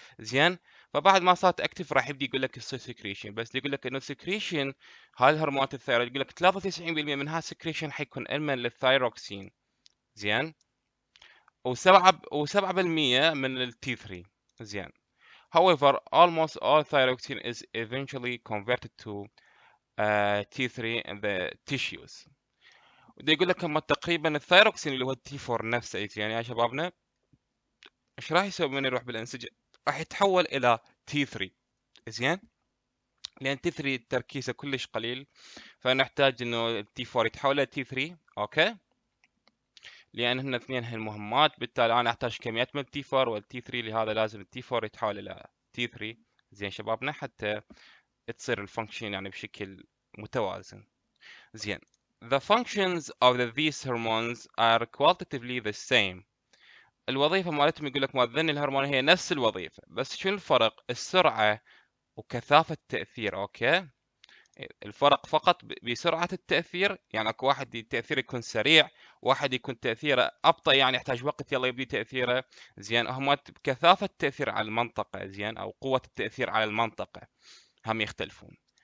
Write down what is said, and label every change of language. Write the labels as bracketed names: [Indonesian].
[Arabic] زين، فبعد ما صارت اكتف راح يبدي يقول لك يصير سكريشن، بس يقول لك انه سكريشن هالهرمونات الثايرويد يقول لك 93% من هالسكريشن حيكون اما للثايروكسين، زين، و7% من التي 3. زين، [English] However, almost all thyroxine is eventually converted to T3 in the tissues. [Arabic] ودي يقول لك اما تقريبا الثيروكسين اللي هو T4 نفسه يعني يا شبابنا ايش راح يسوي من يروح بالانسجه؟ راح يتحول الى T3 زين؟ لان T3 تركيزه كلش قليل فنحتاج انه T4 يتحول الى T3 اوكي؟ لان هن اثنين هن مهمات بالتالي انا احتاج كميات من T4 وال T3 لهذا لازم T4 يتحول الى T3 زين شبابنا حتى تصير الفانكشن يعني بشكل متوازن زين. [English] The functions of these hormones are qualitatively the same. [Arabic] الوظيفة مالتهم يقول لك مؤذن الهرمون هي نفس الوظيفة بس شو الفرق؟ السرعة وكثافة التأثير اوكي؟ الفرق فقط بسرعة التأثير يعني اكو واحد التأثير يكون سريع واحد يكون تأثيره أبطأ يعني يحتاج وقت يلا يبدي تأثيره زين هما كثافة التأثير على المنطقة زين أو قوة التأثير على المنطقة هم يختلفون.